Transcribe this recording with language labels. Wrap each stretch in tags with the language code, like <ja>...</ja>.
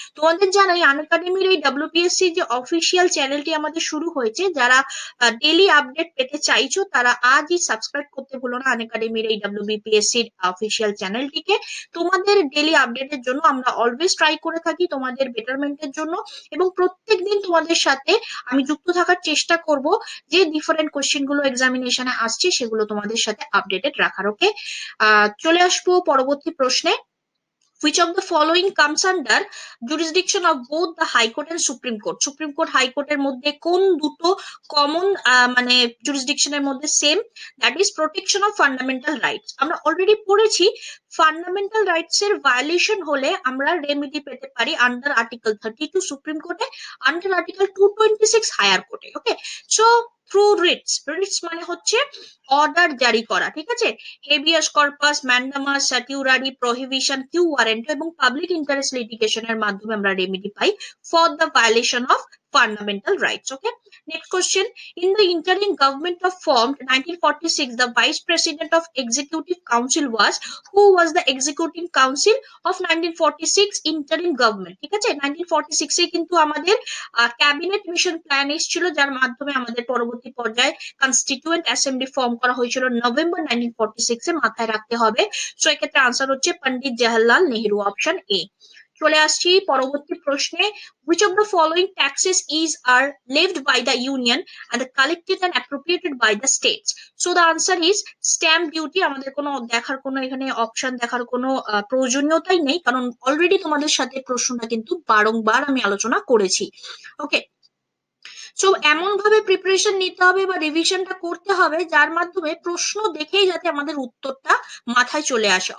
<bn>তোমাদের জানাই আনাকাডেমির এই WPSC যে অফিসিয়াল চ্যানেলটি আমাদের শুরু হয়েছে, যারা ডেলি আপডেট পেতে চাইছো তারা আজই সাবস্ক্রাইব করতে ভুলো না আনাকাডেমির এই WPSC অফিসিয়াল চ্যানেলটিকে। তোমাদের ডেলি আপডেটের জন্য আমরা অলওয়েজ ট্রাই করে থাকি তোমাদের বেটারমেন্টের জন্য, এবং প্রত্যেক দিন তোমাদের সাথে আমি যুক্ত থাকার চেষ্টা করব যে ডিফারেন্ট কোশ্চেন গুলো এক্সামিনেশনে আসছে সেগুলো তোমাদের সাথে আপডেটেড রাখার। ওকে, চলে আসবো পরবর্তী প্রশ্নে।</bn> <en>Which of the following comes under jurisdiction of both the High Court and Supreme Court?</en> <bn>Supreme Court, High Court এর মধ্যে কোন দুটো কমন মানে জুরিসডিকশনের মধ্যে same?</bn> <en>That is protection of fundamental rights.</en> <bn>আমরা অলরেডি পড়েছি fundamental rights এর violation হলে আমরা remedy পেতে পারি under Article 32 Supreme Court এ, under Article 226 Higher Court এ. Okay, so through writs, writs মানে হচ্ছে অর্ডার জারি করা, ঠিক আছে, habeas corpus, mandamus, সার্টিউরারি, prohibition, Q warrant, এবং পাবলিক ইন্টারেস্ট লিটিগেশন এর মাধ্যমে আমরা remedy pi</bn> <en>For the violation of fundamental rights. Okay, next question, in the interim government of from 1946 the vice president of executive council was, who was the executive council of 1946 interim government,</en> <bn>ঠিক আছে। 1946 এ কিন্তু আমাদের cabinet mission plan এসেছিল যার মাধ্যমে আমাদের পরবর্তী পর্যায়ে কনস্টিটিউয়েন্ট অ্যাসেম্বলি ফর্ম করা হয়েছিল নভেম্বর 1946 এ, মাথায় রাখতে হবে। সো এক্ষেত্রে আনসার হচ্ছে পন্ডিত জওহরলাল নেহরু, অপশন এ। চলে আসছি পরবর্তী প্রশ্নে,</bn> <en>which of the following taxes is are levied by the union and the collected and appropriated by the states? So the answer is stamp duty.</en> <bn>আমাদের কোনো দেখার কোনো এখানে অপশন দেখার কোনো প্রয়োজনীয়তাই নেই, কারণ অলরেডি তোমাদের সাথে প্রশ্নটা কিন্তু বারংবার আমি আলোচনা করেছি। ওকে, সো এমন ভাবে প্রিপারেশন নিতে হবে বা রিভিশনটা করতে হবে যার মাধ্যমে প্রশ্ন দেখেই যাতে আমাদের উত্তরটা মাথায় চলে আসে।</bn>